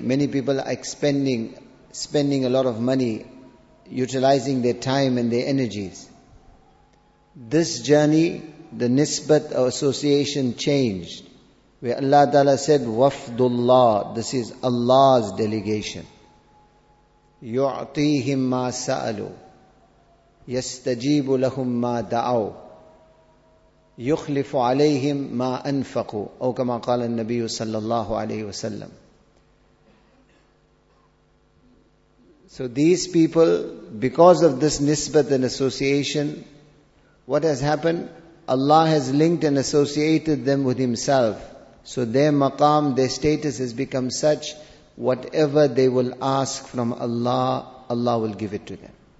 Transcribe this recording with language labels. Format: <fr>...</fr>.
<en>Many people are spending a lot of money, utilizing their time and their energies. This journey, the nisbat or association changed. Where Allah Ta'ala said, Wafdullah, this is Allah's delegation.</en> <ar>يُعْطِيهِمْ مَا سَأَلُوا يَسْتَجِيبُ لَهُمْ مَا دَعَوْا يُخْلِفُ عَلَيْهِمْ مَا أَنْفَقُوا أو كما قال النبي صلى الله عليه وسلم.</ar> <en>So these people, because of this nisbat and association, what has happened? Allah has linked and associated them with Himself. So their maqam, their status has become such, whatever they will ask from Allah, Allah will give it to them.</en>